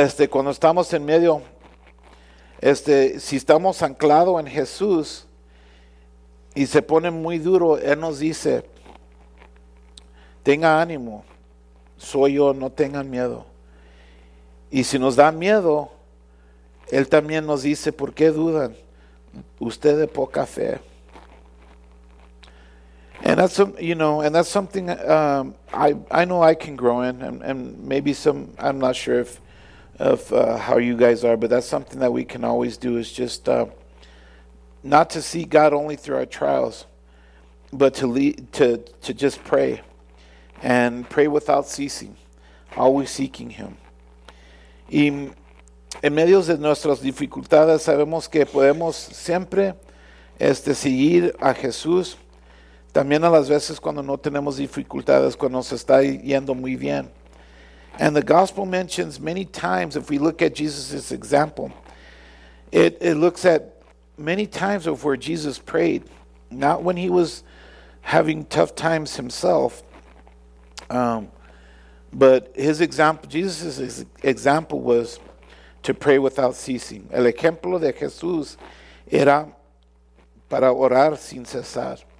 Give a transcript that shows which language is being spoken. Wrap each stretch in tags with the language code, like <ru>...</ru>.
<es>Cuando estamos en medio, si estamos anclados en Jesús y se pone muy duro, Él nos dice: tenga ánimo, soy yo, no tengan miedo. Y si nos da miedo, Él también nos dice: ¿por qué dudan? Usted de poca fe.</es> <en>And that's, you know, and that's something I know I can grow in, and maybe some, I'm not sure if of how you guys are, but that's something that we can always do, is just not to see God only through our trials, but to just pray, and pray without ceasing, always seeking Him.</en> <es>Y en medio de nuestras dificultades sabemos que podemos siempre seguir a Jesús, también a las veces cuando no tenemos dificultades, cuando nos está yendo muy bien.</es> <en>And the gospel mentions many times, if we look at Jesus' example, it looks at many times of where Jesus prayed, not when he was having tough times himself, but his example, Jesus' example was to pray without ceasing.</en> <es>El ejemplo de Jesús era para orar sin cesar.</es>